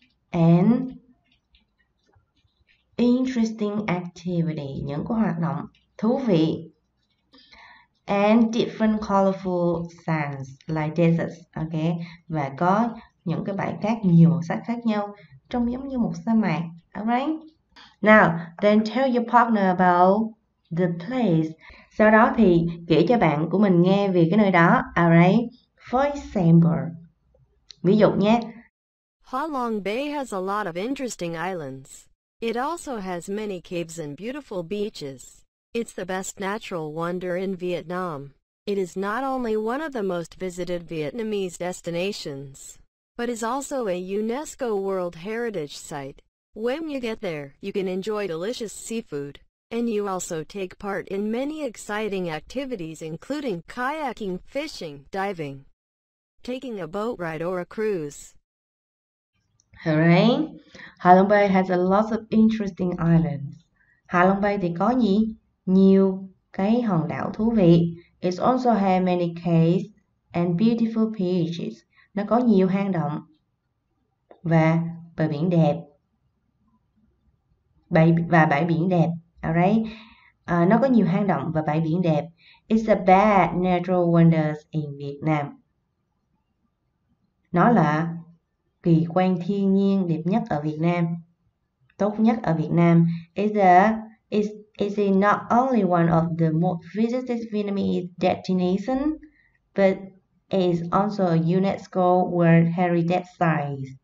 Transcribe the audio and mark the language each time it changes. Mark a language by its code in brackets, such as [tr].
[en] And interesting activity, [vi] những cái hoạt động thú vị. [en] and different colorful sands like deserts. [vi] Okay, và có những cái bãi cát nhiều màu sắc khác nhau trông giống như một sa mạc. [en] Alright. Now, then tell your partner about the place. [vi] Sau đó thì kể cho bạn của mình nghe về cái nơi đó. [en] Alright. For example. [vi] Ví dụ nhé. [en] Ha Long Bay has a lot of interesting islands. It also has many caves and beautiful beaches. It's the best natural wonder in Vietnam. It is not only one of the most visited Vietnamese destinations, but is also a UNESCO World Heritage Site. When you get there, you can enjoy delicious seafood, and you also take part in many exciting activities including kayaking, fishing, diving, taking a boat ride or a cruise. Hooray! Ha Long Bay has a lot of interesting islands. [vi] Ha Long Bay thì có gì? Nhiều cái hòn đảo thú vị. [en] It also has many caves and beautiful beaches. [vi] Nó có nhiều hang động và bờ biển đẹp. Và bãi biển đẹp. Alright. Nó có nhiều hang động và bãi biển đẹp. [en] It's a bad natural wonders in Vietnam. [vi] Nó là kỳ quan thiên nhiên đẹp nhất ở Việt Nam. Tốt nhất ở Việt Nam. [en] Is it not only one of the most visited Vietnamese destinations, but is also a UNESCO World Heritage Site.